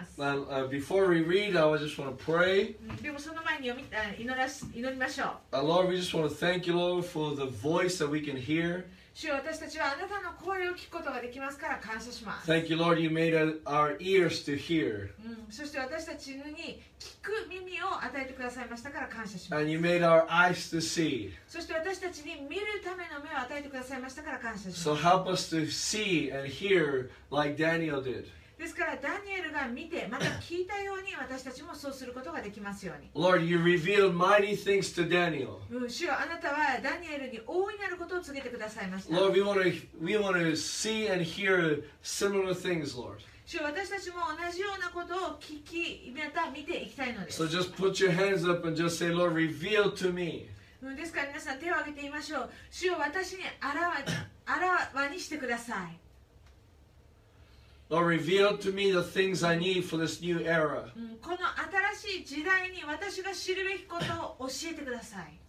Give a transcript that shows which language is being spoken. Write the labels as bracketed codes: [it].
[en] But before we read, I just want to pray. [ja] でもその前に祈りましょう。 [en] Lord, we just want to thank you, Lord, for the voice that we can hear. [ja] 主よ、私たちはあなたの声を聞くことができますから感謝します。 [en] Thank you, Lord, you made our ears to hear. [ja] そして私たちに聞く耳を与えてくださいましたから感謝します。 [en] And you made our eyes to see. [ja] そして私たちに見るための目を与えてくださいましたから感謝します。 [en] So help us to see and hear like Daniel did. [ja] ですからダニエルが見てまた聞いたように私たちもそうすることができますように。 [en] Lord, you revealed mighty things to Daniel. [ja] 主よ、あなたはダニエルに大いなることを告げてくださいました。 [en] Lord, we want to see and hear similar things, Lord. [ja] 主よ、私たちも同じようなことを聞き、また見ていきたいのです。 [en] So just put your hands up and just say, Lord, reveal to me. [ja] ですから皆さん手を挙げてみましょう。主よ、私にあらわにしてください。 [en] Lord, reveal to me the things I need for this new era. [ja] この新しい時代に私が知るべきことを教えてください。